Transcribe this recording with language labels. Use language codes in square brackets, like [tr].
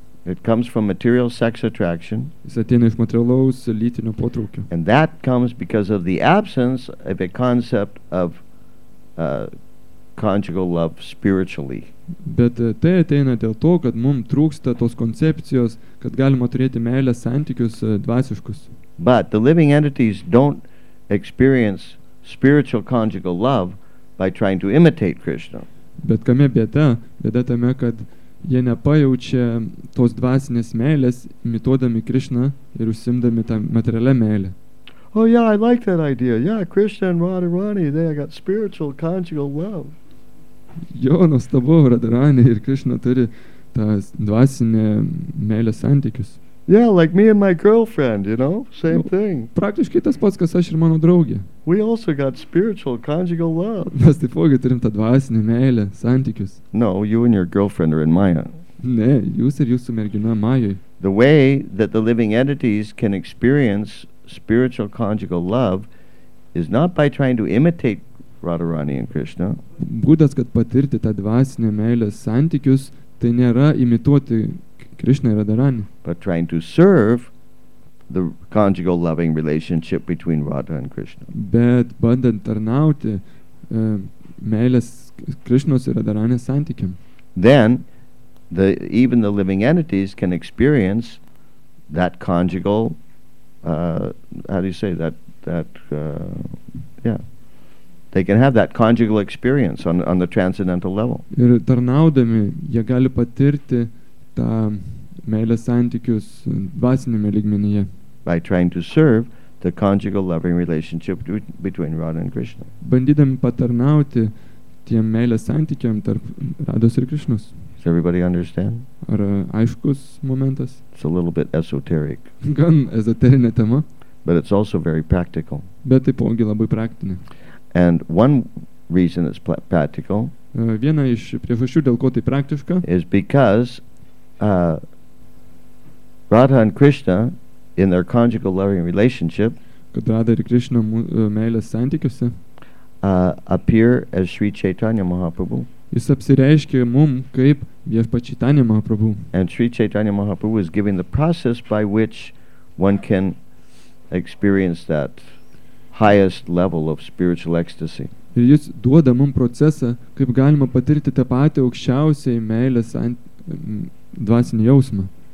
[en] It comes from material sex attraction. [lt] Jis ateina iš materialaus lytinio potraukio. [en] And that comes because of the absence of a concept of conjugal love spiritually. [lt] Bet tai ateina dėl to, kad mum trūksta tos koncepcijos, kad galima turėti meilės santykius dvasiškus. [en] But the living entities don't experience spiritual conjugal love by trying to imitate Krishna. [lt] Bet kame bėda? Bėda tame, kad jie nepajaučia tos dvasinės meilės, imituodami Krishna ir užsimdami tą materialią meilę. [en] Oh yeah, I like that idea. Yeah, Krishna and Radharani, they got spiritual conjugal love. [lt] Jo, nuostabu, Radharani ir Krishna turi tas dvasinę meilės santykius. [en] Yeah, like me and my girlfriend, you know, same thing. [lt] Praktiškai tas pats, kas aš ir mano draugė. [en] We also got spiritual conjugal love. [lt] Mes taipogi turim tą dvasinį meilę, santykius. [en] No, you and your girlfriend are in Maya. [lt] Ne, jūs ir jūsų mergina Mayoj. [en] The way that the living entities can experience spiritual conjugal love is not by trying to imitate Radharani and Krishna. [lt] Būdas, kad patirti tą dvasinę meilę santykius, tai nėra imituoti Krishna ir Radharani. [en] But trying to serve the conjugal loving relationship between Radha and Krishna. [lt] Bet bandant tarnauti meilės Krishnos ir Radharani santykiam. [en] Then, even the living entities can experience that conjugal they can have that conjugal experience on the transcendental level. [lt] Ir tarnaudami jie gali patirti tą meilės santykius dvasiniame lygmenyje. [en] By trying to serve the conjugal loving relationship between Radha and Krishna. [lt] Bandydami patarnauti tiem meilės santykiam tarp Radhos ir Krishnos. [en] Does everybody understand? [lt] Ar aiškus momentas? [en] It's a little bit esoteric. [lt] Gan ezoterinė tema. [en] But it's also very practical. [lt] Bet taipogi labai praktinė. [en] And one reason it's practical [lt] viena iš priežasčių, dėl ko tai praktiška, [en] is because Radha and Krishna in their conjugal loving relationship [lt] Radha ir Krishna meilės santykiuose [en] appear as Sri Chaitanya Mahaprabhu. [lt] Jis apsireiškė mum kaip Viešpats Čaitanya Mahaprabhu. [en] And Sri Chaitanya Mahaprabhu is giving the process by which one can experience that highest level of spiritual ecstasy. [lt] Ir jis duoda mum procesą, kaip galima patirti tą patį aukščiausiai meilės dvasinį jausmą.